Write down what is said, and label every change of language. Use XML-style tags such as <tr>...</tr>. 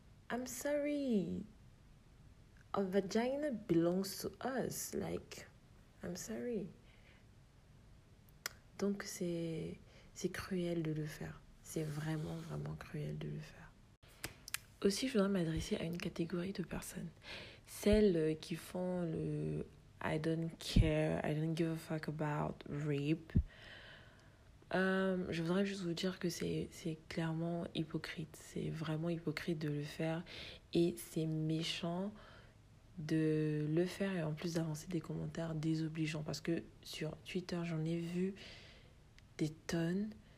<en>I'm sorry. A vagina belongs to us. Like, I'm sorry.</en> <fr>Donc, c'est cruel de le faire. C'est vraiment, vraiment cruel de le faire. Aussi, je voudrais m'adresser à une catégorie de personnes. Celles qui font le</fr> <en>I don't care, I don't give a fuck about rape.</en> <fr>Je voudrais juste vous dire que c'est clairement hypocrite. C'est vraiment hypocrite de le faire. Et c'est méchant de le faire et en plus d'avancer des commentaires désobligeants. Parce que sur Twitter, j'en ai vu des tonnes.</fr>